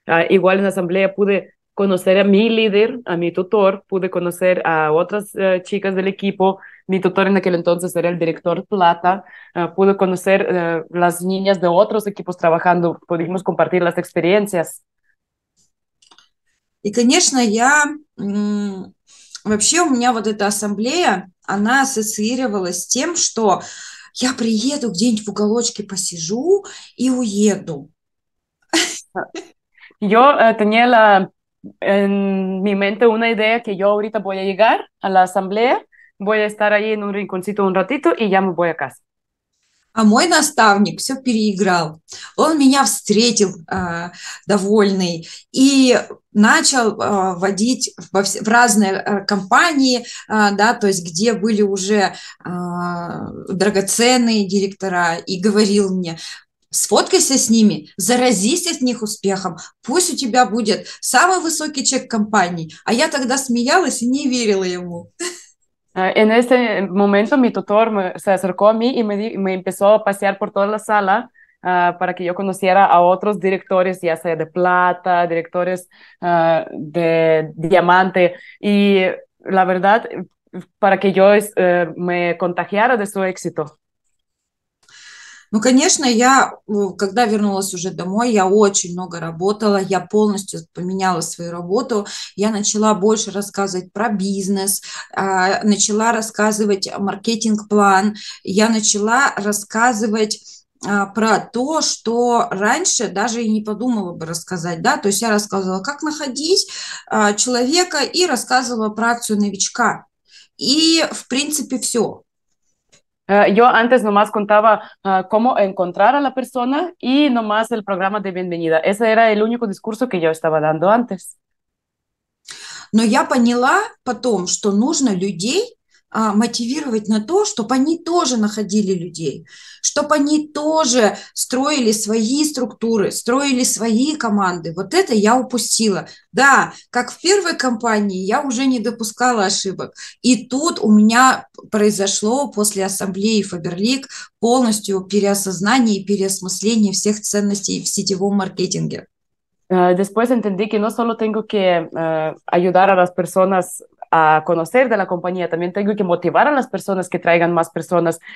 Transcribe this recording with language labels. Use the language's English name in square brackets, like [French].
[Spanish] Igual en asamblea pude conocer a mi líder, a mi tutor, pude conocer a otras chicas del equipo. Mi tutor en aquel entonces era el director Plata. Pude conocer las niñas de otros equipos trabajando. Pudimos compartir las experiencias. [Russian] И, конечно, я вообще у меня вот эта ассамблея, она ассоциировалась с тем, что я приеду где-нибудь в уголочке посижу и уеду. [Spanish] Yo tenía en mi mente una idea que yo ahorita voy a llegar a la asamblea, voy a estar ahí en un rinconcito un ratito y ya me voy a casa. [Russian] А мой наставник все переиграл. Он меня встретил довольный и начал водить в разные компании, да, то есть где были уже драгоценные директора, и говорил мне, сфоткайся с ними, заразись от них успехом, пусть у тебя будет самый высокий чек компании. А я тогда смеялась и не верила ему. [Spanish] En ese momento mi tutor se acercó a mí y me empezó a pasear por toda la sala para que yo conociera a otros directores, ya sea de plata, directores de diamante. Y la verdad, para que yo me contagiara de su éxito. [Russian] Ну, конечно, я, когда вернулась уже домой, я очень много работала, я полностью поменяла свою работу, я начала больше рассказывать про бизнес, начала рассказывать маркетинг-план, я начала рассказывать про то, что раньше даже и не подумала бы рассказать, да, то есть я рассказывала, как находить человека и рассказывала про акцию новичка, и, в принципе, все. [Spanish] Yo antes nomás contaba cómo encontrar a la persona y nomás el programa de bienvenida. Ese era el único discurso que yo estaba dando antes. [Russian] Но я поняла потом, что нужно людей мотивировать на то, чтобы они тоже находили людей, чтобы они тоже строили свои структуры, строили свои команды. Вот это я упустила. Да, как в первой компании, я уже не допускала ошибок. И тут у меня произошло после ассамблеи Faberlic полностью переосознание и переосмысление всех ценностей в сетевом маркетинге. [Spanish] Después entendí que no solo tengo que ayudar a las personas a conocer de la compañía, también tengo que motivar a las personas que traigan más personas.